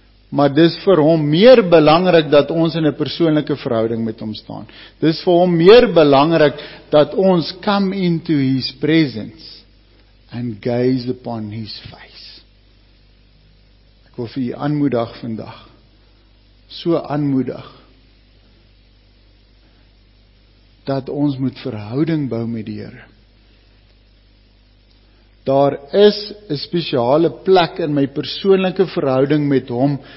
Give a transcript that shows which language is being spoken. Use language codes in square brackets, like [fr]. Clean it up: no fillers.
[af] Maar dis vir hom meer belangrik dat ons in 'n persoonlike verhouding met hom staan. Dis vir hom meer belangrik dat ons [en] come into his presence. And gaze upon his face. [af] Ek wil vir u aanmoedig vandag. So aanmoedig. Dat ons moet verhouding bou met die Here. Daar is 'n spesiale plek in my persoonlike verhouding met hom.